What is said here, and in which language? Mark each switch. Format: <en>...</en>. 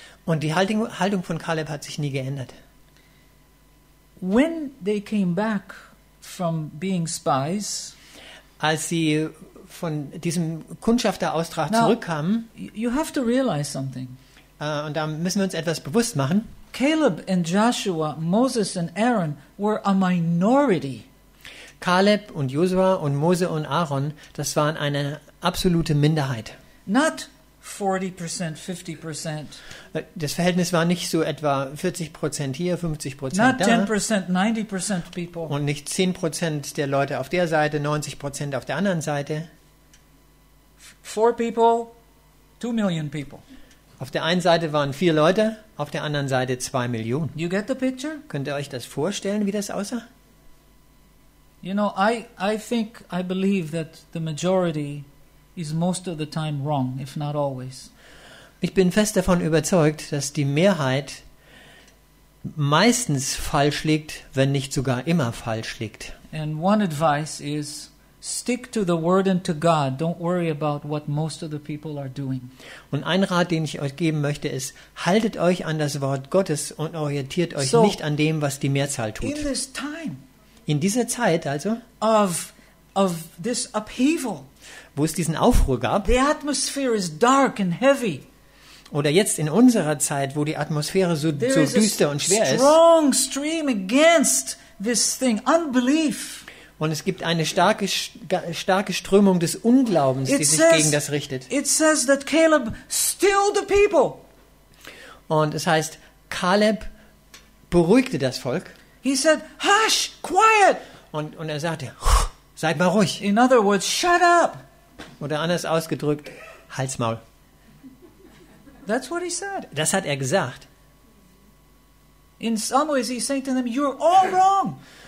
<de>Und die Haltung von Caleb hat sich nie geändert.</de> <en>When they came back from being spies,</en> <de>als sie von diesem Kundschafterauftrag zurückkamen,</de> <en>you have to realize something.</en> <de>Und da müssen wir uns etwas bewusst machen.</de> <en>Caleb and Joshua, Moses and Aaron were a minority.</en> <de>Caleb und Josua und Mose und Aaron, das waren eine absolute Minderheit.</de> <en>Not 40%, 50%.</en> <de>Das Verhältnis war nicht so etwa 40% hier, 50%</de> <en>not</en> <de>da.</de> <en>Not 10%, 90% people.</en> <de>Und nicht 10% der Leute auf der Seite, 90% auf der anderen Seite.</de> <en>4 people, 2 million people.</en> <de>Auf der einen Seite waren 4 Leute, auf der anderen Seite 2 Millionen.</de> <en>You get the picture?</en> <de>Könnt ihr euch das vorstellen, wie das aussah?</de> <en>You know, I think, I believe that the majority is most of the time wrong, if not always.</en> <de>Ich bin fest davon überzeugt, dass die Mehrheit meistens falsch liegt, wenn nicht sogar immer falsch liegt.</de> <en>And one advice is stick to the word and to God. Don't worry about what most of the people are doing.</en> <de>Und ein Rat, den ich euch geben möchte, ist, haltet euch an das Wort Gottes und orientiert euch so nicht an dem, was die Mehrzahl tut.</de> <en>In this time,</en> <de>in dieser Zeit also,</de> <en>of this upheaval,</en> <de>wo es diesen Aufruhr gab.</de> <en>The atmosphere is dark and heavy.</en> <de>Oder jetzt in unserer Zeit, wo die Atmosphäre so düster und schwer ist.</de> <en>There is a strong stream against this thing, unbelief.</en> <de>Und es gibt eine starke Strömung des Unglaubens, die sich gegen das richtet.</de> <en>It says that Caleb stilled the people.</en> <de>Und es heißt, Caleb beruhigte das Volk.</de> <en>He said, hush, quiet.</en> <de>Und er sagte, seid mal ruhig.</de> <en>In other words, shut up.</en> <de>Oder anders ausgedrückt, halt's Maul.</de> <en>That's what he said.</en> <de>Das hat er gesagt.</de> <en>In some ways he's saying to them, you're all wrong.</en>